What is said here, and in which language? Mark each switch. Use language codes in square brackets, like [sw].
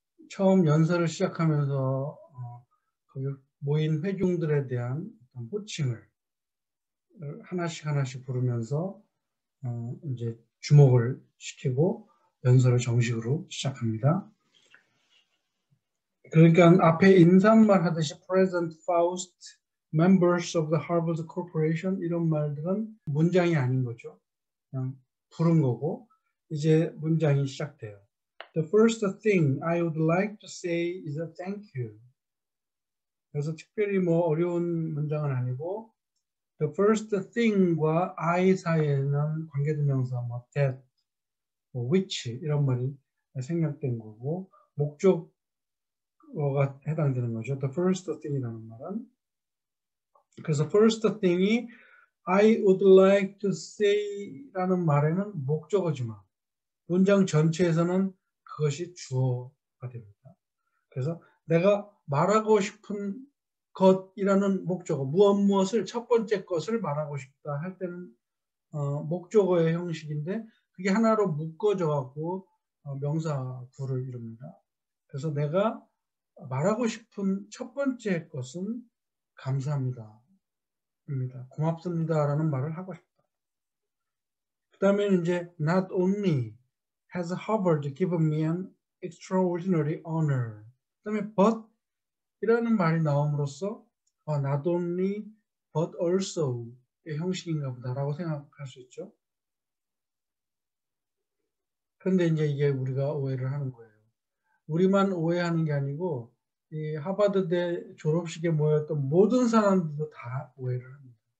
[ko] 처음 연설을 시작하면서 거기 모인 회중들에 대한 호칭을 하나씩 하나씩 부르면서 이제 주목을 시키고 연설을 정식으로 시작합니다. 그러니까 앞에 인사말 하듯이 [en] Present Faust, Members of the Harvard Corporation [ko] 이런 말들은 문장이 아닌 거죠. 그냥 부른 거고 이제 문장이 시작돼요. [en] The first thing I would like to say is a thank you. [ko] 그래서 특별히 뭐 어려운 문장은 아니고, the first thing과 I 사이에는 관계대명사 뭐 that, 뭐 which 이런 말이 생략된 거고, 목적어가 해당되는 거죠. The first thing이라는 말은. 그래서 first thing이 [en] I would like to say [ko] 라는 말에는 목적어지만, 문장 전체에서는 그것이 주어가 됩니다. 그래서 내가 말하고 싶은 것이라는 목적어, 무엇무엇을 첫 번째 것을 말하고 싶다 할 때는 목적어의 형식인데 그게 하나로 묶어져 갖고 명사구를 이룹니다. 그래서 내가 말하고 싶은 첫 번째 것은 감사합니다입니다. 고맙습니다라는 말을 하고 싶다. 그다음에 이제 [en] not only Has Harvard given me an extraordinary honor? [ko] 그다음에 but 이라는 말이 나옴으로써 not only but also의 형식인가 보다라고 생각할 수 있죠. 그런데 이제 이게 우리가 오해를 하는 거예요. 우리만 오해하는 게 아니고 이 하버드대 졸업식에 모였던 모든 사람들도 다 오해를 합니다.